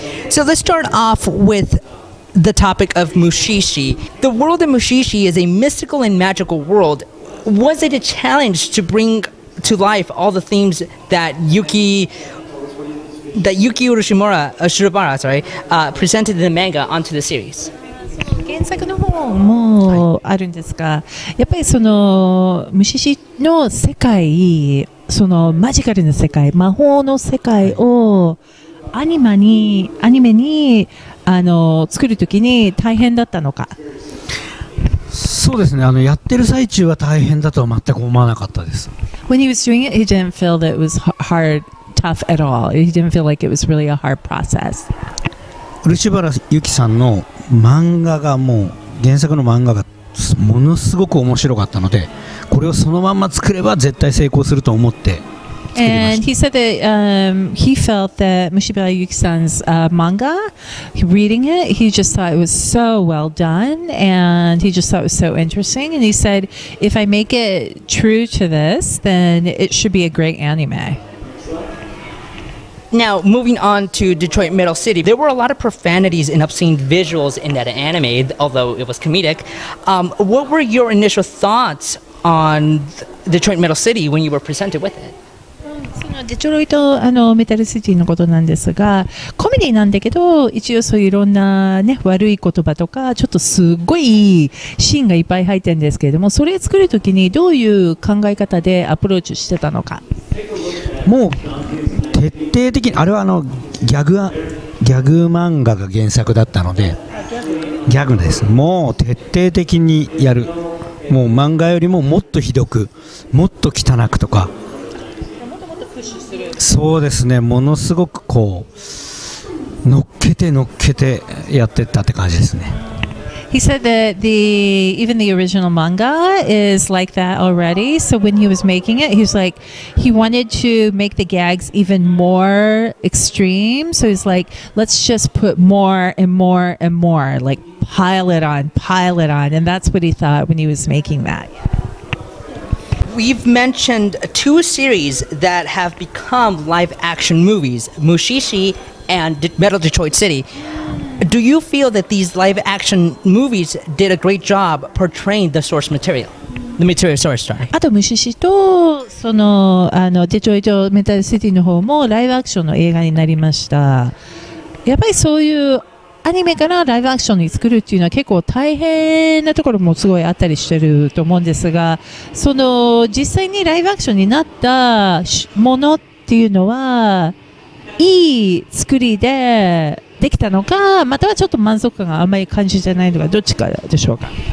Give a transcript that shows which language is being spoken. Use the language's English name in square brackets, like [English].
[English] So let's start off with the topic of Mushishi. The world of Mushishi is a mystical and magical world. Was it a challenge to bring to life all the themes that Yuki Urushimura, Shirobara, sorry, presented in the manga onto the series? [Japanese] 原作の方もあるんですが、やっぱりそのムシシの世界、そのマジカルな世界、魔法の世界をアニメに作るときに大変だったのか。そうですね。やってる最中は大変だとは全く思わなかったです。 [English] When he was doing it, he didn't feel that it was hard, tough at all. He didn't feel like it was really a hard process. [Japanese] ウルシバラユキさんの漫画がもう原作の漫画がものすごく面白かったので、これをそのまんま作れば絶対成功すると思って作りました。 [English] And he said that he felt that Mushibara Yuki-san's manga, reading it, he just thought it was so well done, and he just thought it was so interesting. And he said, if I make it true to this, then it should be a great anime. Now, moving on to Detroit Metal City, there were a lot of profanities and obscene visuals in that anime, although it was comedic. What were your initial thoughts on Detroit Metal City when you were presented with it? [Japanese] そのデトロイトメタルシティのことなんですが、コメディなんだけど、一応そういろんな、ね、悪い言葉とか、ちょっとすごいシーンがいっぱい入ってるんですけれども、それを作るときにどういう考え方でアプローチしてたのか。もう徹底的に、あれはギャグ漫画が原作だったので、ギャグです。もう徹底的にやる、もう漫画よりももっとひどく、もっと汚くとか、もっともっとプッシュする。そうですね、ものすごくこう乗っけて乗っけてやってったって感じですね。 [English] He said that even the original manga is like that already. So when he was making it, he was like, he wanted to make the gags even more extreme. So he's like, let's just put more and more and more, like pile it on. And that's what he thought when he was making that. We've mentioned two series that have become live action movies, Mushishi and Metal Detroit City. Do you feel that these live-action movies did a great job portraying the source material? The material source, sorry. [Japanese] あと、ムシシとその、デトロイト・メタル・シティの方もライブアクションの映画になりました。やっぱりそういうアニメからライブアクションに作るっていうのは結構大変なところもすごいあったりしてると思うんですが、その実際にライブアクションになったものっていうのは、いい作りでできたのか、またはちょっと満足感があまり感じてないのか、どっちかでしょうか。